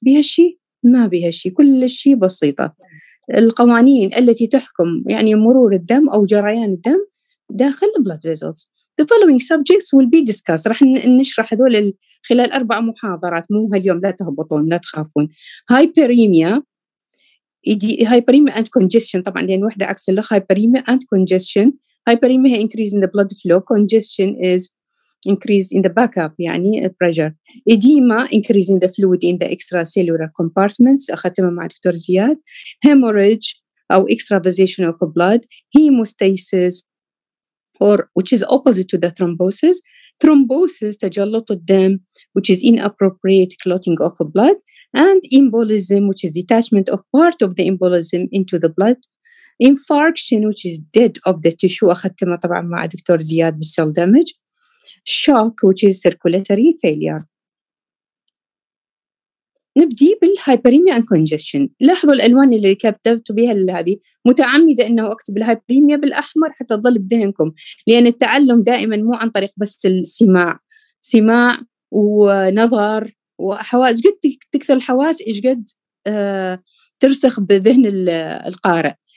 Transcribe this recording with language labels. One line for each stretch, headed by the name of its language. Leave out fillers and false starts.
Arabic: بها شيء؟ ما بها شيء، كل شيء بسيطة. القوانين التي تحكم يعني مرور الدم أو جريان الدم داخل
English: the blood vessels. The following subjects will be discussed.
Arabic: رح نشرح هذول خلال أربع محاضرات، مو هاليوم، لا تهبطون لا تخافون. Hyperemia.
English: Hyperemia and congestion
Arabic: طبعا لان واحدة عكس الاخرى.
English: Hyperemia and congestion. Hyperemia هي increase in the blood flow. Congestion is increase in the backup يعني pressure. Edema increase in the fluid in the extracellular compartments.
Arabic: أختمها مع دكتور زياد. Hemorrhage أو
English: extravasation of blood. Hemostasis or which is opposite to the thrombosis. Thrombosis
Arabic: تجلط الدم
English: which is inappropriate clotting of blood. And embolism, which is detachment of part of the embolism into the blood. Infarction, which is dead of the tissue.
Arabic: أختمها طبعا مع دكتور زياد بالcell damage.
English: Shock, which is circulatory failure.
Arabic: نبدي بالهايبريميا
English: and congestion.
Arabic: لاحظوا الألوان اللي كتبت بها هذه متعمدة إنه أكتب الهايبريميا بالأحمر حتى تظل بذهنكم، لأن التعلم دائما مو عن طريق بس السماع، سماع ونظر وحواس، قد تكثر الحواس إيش قد ترسخ بذهن القارئ.